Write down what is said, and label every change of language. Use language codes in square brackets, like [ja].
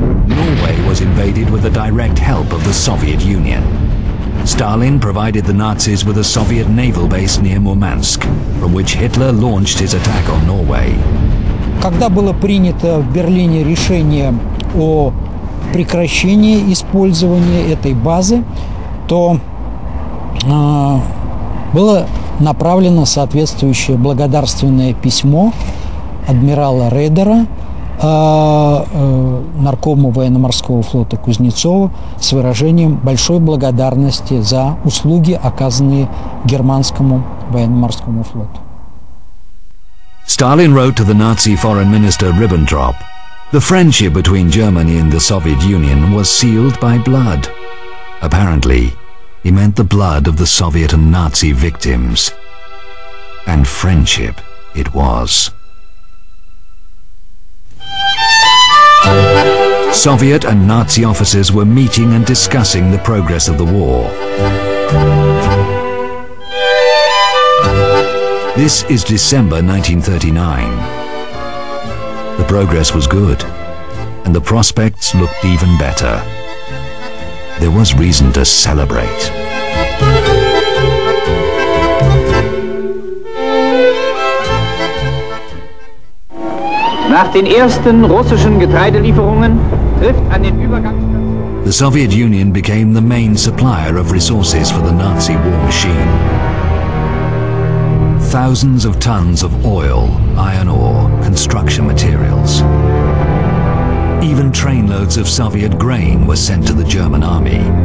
[en] Norway was invaded with the direct help of the Soviet Union. Stalin provided the Nazis with a Soviet naval base near Murmansk, from which Hitler launched his attack on Norway. [ru] Когда было принято в Берлине решение о прекращении использования этой базы, то было направлено соответствующее благодарственное письмо адмирала Редера наркому военно-морского флота Кузнецову с выражением большой благодарности за услуги, оказанные германскому военно-морскому флоту. [en] Сталин wrote to the Nazi foreign minister Ribbentrop, the friendship between Germany and the Soviet Union was sealed by blood. Apparently, he meant the blood of the Soviet and Nazi victims. And friendship it was. Soviet and Nazi officers were meeting and discussing the progress of the war. This is December 1939. The progress was good, and the prospects looked even better. There was reason to celebrate. [de] Nach den ersten russischen Getreidelieferungen trifft an den Übergangsstationen. [en] The Soviet Union became the main supplier of resources for the Nazi war machine. Thousands of tons of oil, iron ore, construction materials. Even trainloads of Soviet grain were sent to the German army.